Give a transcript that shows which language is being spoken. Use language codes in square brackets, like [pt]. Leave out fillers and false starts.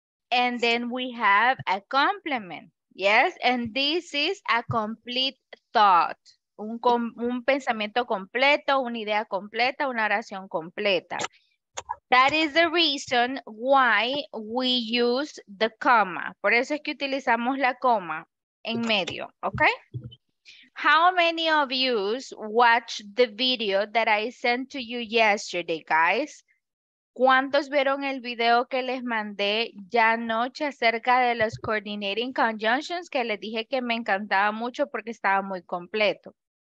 [en] And then we have a complement, yes? And this is a complete thought, [es] un pensamiento completo, una idea completa, una oración completa. [en] That is the reason why we use the comma. [es] Por eso es que utilizamos la coma en medio, okay? [en] How many of you watched the video that I sent to you yesterday, guys? [es] ¿Cuántos vieron el video que les mandé ya anoche acerca de los coordinating conjunctions que les dije que me encantaba mucho porque estaba muy completo?